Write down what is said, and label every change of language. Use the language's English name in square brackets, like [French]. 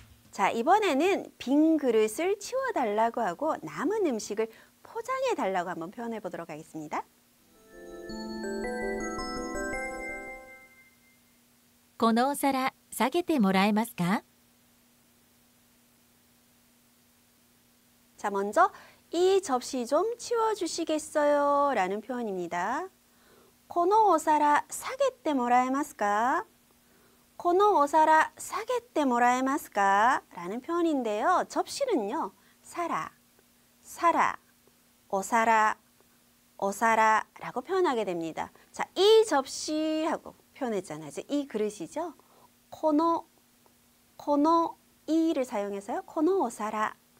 [Korean] 자, 이번에는 빈 그릇을 치워달라고 하고 남은 음식을 포장해달라고 한번 표현해 보도록 하겠습니다. [Japanese] このお皿下げてもらえますか? [Korean] 자, 먼저 이 접시 좀 치워주시겠어요? 라는 표현입니다. [Japanese] このお皿下げてもらえますか?このお皿下げてもらえますか? [Korean] 라는 표현인데요. 접시는요, 사라, 사라, 오사라, 오사라 라고 표현하게 됩니다. 자, 이 접시하고 표현했잖아요. 이 그릇이죠. 코노, 코노, 이를 사용해서요. 코노오사라,